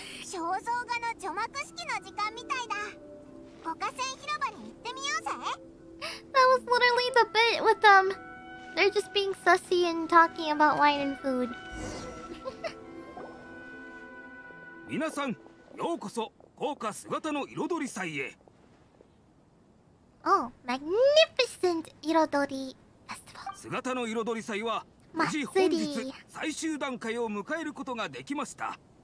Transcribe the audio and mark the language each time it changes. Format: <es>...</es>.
<ja>肖像画の除幕式の時間みたいだ。五花線広場に行ってみようぜ。</ja> <en>That was literally the bit with them. They're just being sussy and talking about wine and food.</en> <ja>皆さん、ようこそ豪華姿の彩り祭へ。</ja> <en>Oh, magnificent 彩りフェスティバル。</en> <ja>姿の彩り祭は無事本日最終段階を迎えることができました。</ja>